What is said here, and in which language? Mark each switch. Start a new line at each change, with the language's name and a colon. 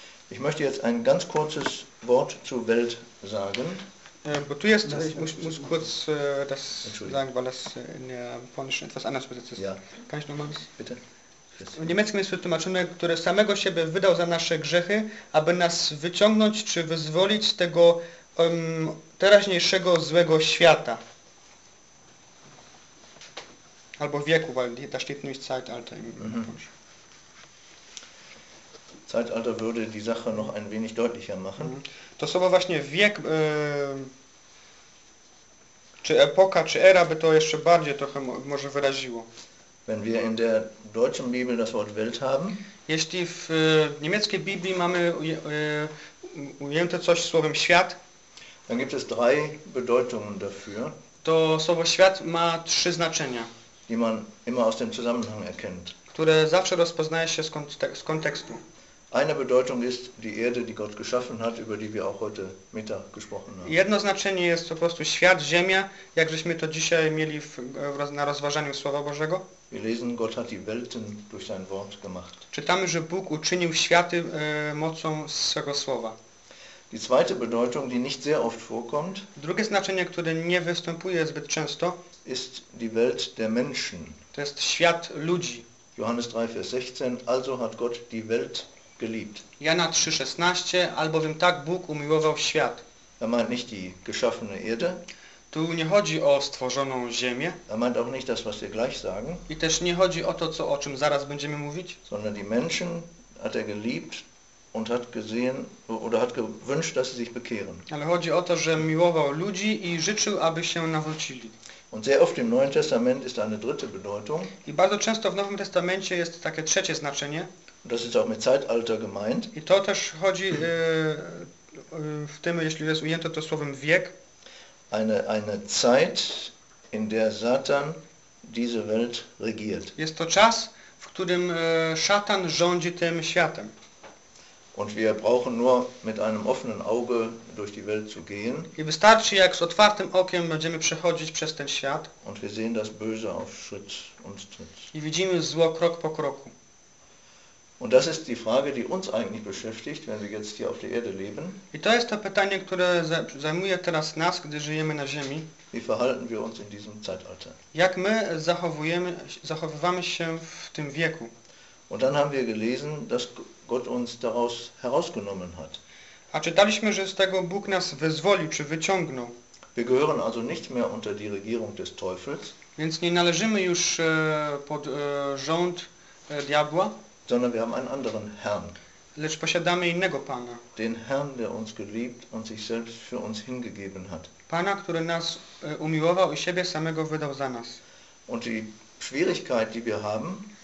German: Ich möchte jetzt ein ganz kurzes Wort zur Welt sagen.
Polish: Bo tu jest,
German: muss kurz das sagen, weil das in der polnischen etwas anders übersetzt ist. Ja. Kann ich noch mal? Bitte.
Polish: W niemieckim jest wytłumaczone, który samego siebie wydał za nasze grzechy, aby nas wyciągnąć czy wyzwolić z tego teraźniejszego złego świata. Albo wieku,
German: weil da steht nämlich Zeitalter im Deutsch. Zeitalter würde die Sache noch ein wenig deutlicher machen.
Polish: To słowo właśnie wiek, czy epoka, czy era, by to jeszcze bardziej trochę może wyraziło.
German: Wenn wir in der deutschen Bibel das Wort Welt haben,
Polish: jeśli w niemieckiej Biblii mamy ujęte coś słowem świat,
German: dann gibt es drei Bedeutungen dafür,
Polish: to słowo świat ma trzy znaczenia,
German: die man immer aus dem Zusammenhang erkennt.
Polish: Które zawsze rozpoznaje się z kontekstu.
German: Eine Bedeutung ist die Erde, die Gott geschaffen hat, über die wir auch heute Mittag gesprochen haben.
Polish: Jedno znaczenie jest po prostu świat, ziemia, jak żeśmy to dzisiaj mieli na rozważaniu Słowa Bożego.
German: Wir lesen, Gott hat die Welten durch sein Wort gemacht.
Polish: Czytamy, że Bóg uczynił światy mocą swego Słowa.
German: Die zweite Bedeutung, die nicht sehr oft vorkommt,
Polish: drugie znaczenie, które nie występuje zbyt często,
German: ist die Welt der Menschen.
Polish: To jest świat ludzi.
German: Johannes 3, Vers 16, also hat Gott die Welt geliebt.
Polish: Jana 3:16, albowiem tak Bóg umiłował świat.
German: Er meint nicht die geschaffene Erde.
Polish: Tu nie chodzi o stworzoną ziemię.
German: Er meint auch nicht das, was wir gleich sagen.
Polish: I też nie chodzi o to, co, o czym zaraz będziemy mówić.
German: Sondern die Menschen hat er geliebt und hat gesehen oder hat gewünscht, dass sie sich bekehren.
Polish: Ale chodzi o to, że miłował ludzi i życzył, aby się nawrócili.
German: Und sehr oft im Neuen Testament ist eine dritte Bedeutung.
Polish: I bardzo często w Nowym Testamencie jest takie trzecie znaczenie.
German: Das ist auch mit Zeitalter gemeint.
Polish: I to też chodzi w tym, jeśli jest ujęte to słowem wiek.
German: Eine Zeit, in der Satan diese Welt regiert.
Polish: Jest to czas, w którym Szatan rządzi tym światem.
German: Und wir brauchen nur mit einem offenen Auge durch die Welt zu gehen.
Polish: I wystarczy, jak z otwartym okiem będziemy przechodzić przez ten świat.
German: Und wir sehen das Böse auf Schritt und Tritt.
Polish: I widzimy zło krok po kroku.
German: Und das ist die Frage, die uns eigentlich beschäftigt, wenn wir jetzt hier auf der Erde leben.
Polish: I to jest to pytanie, które zajmuje teraz nas, gdy żyjemy na Ziemi.
German: Wie verhalten wir uns in diesem Zeitalter?
Polish: Jak my zachowywamy się w tym wieku?
German: Und dann haben wir gelesen, dass Gott uns daraus herausgenommen hat.
Polish: A czytaliśmy, że z tego Bóg nas wyzwolił, czy wyciągnął.
German: Wir gehören also nicht mehr unter die Regierung des Teufels.
Polish: Więc nie należymy już pod rząd diabła.
German: Sondern wir haben einen anderen Herrn.
Polish: Lecz posiadamy innego Pana.
German: Den Herrn, der uns geliebt und sich selbst für uns hingegeben hat.
Polish: Pana, który nas umiłował i siebie samego wydał za nas.
German: Und die Schwierigkeit, die wir haben,